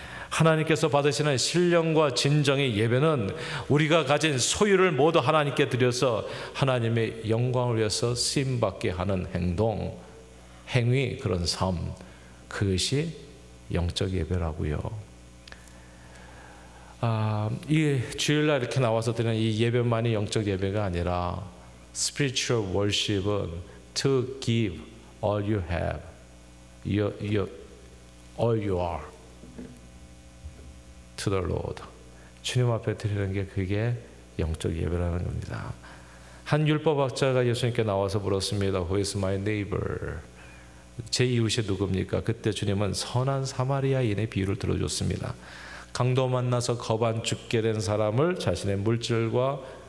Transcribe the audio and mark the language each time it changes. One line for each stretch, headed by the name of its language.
Korean: 하나님께서 받으시는 신령과 진정의 예배는 우리가 가진 소유를 모두 하나님께 드려서 하나님의 영광을 위해서 쓰임받게 하는 행동, 행위, 그런 삶, 그것이 영적 예배라고요. 아, 이 주일날 이렇게 나와서 드리는 이 예배만이 영적 예배가 아니라
English: spiritual worship은 to give all you have, all you are to the Lord.
Korean: 주님 앞에 드리는 게 그게 영적 예배라는 겁니다. 한 율법학자가 예수님께 나와서 물었습니다.
English: Who is my neighbor?
Korean: 제 이웃이 누굽니까? 그때 주님은 선한 사마리아인의 비유를 들어줬습니다. 강도 만나서 겁 안 죽게 된 사람을 자신의 물질과